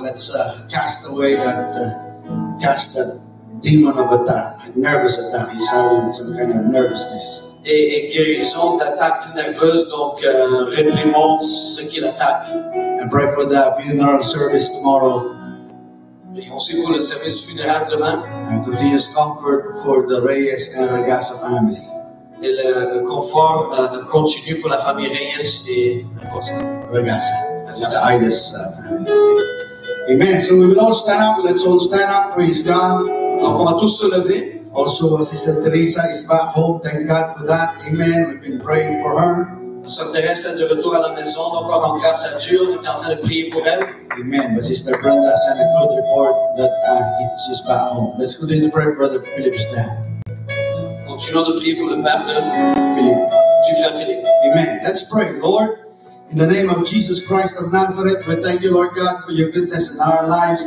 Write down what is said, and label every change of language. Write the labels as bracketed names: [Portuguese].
[English] Let's cast away that demon of attack, nervous attack. He's having some kind of nervousness. [French] Et guérison d'attaque nerveuse, donc réprimons ce qu'il attaque. [English] And pray for the funeral service tomorrow. [French] Et aussi pour le service funéraire demain. [English] And continuous comfort for the Reyes and Regassa family. [French] Et le confort continue pour la famille Reyes et [English] Regassa. Sister Ida's family. Amen. So we will all stand up. Let's all stand up. Praise God. [French] Donc on va tous se lever. [English] Also, Sister Teresa is back home. Thank God for that. Amen. We've been praying for her. [French] Sainte-Thérèse est de retour à la maison, donc on rend grâce à Dieu, on est en train de prier pour elle. [English] Amen. But Sister Brenda sent a good report that she's back home. Let's continue to pray, Brother Philip's dad. [French] Continuons de prier pour le père de Philippe. Du frère Philippe. [English] Amen. Let's pray, Lord. In the name of Jesus Christ of Nazareth, we thank you, Lord God, for your goodness in our lives.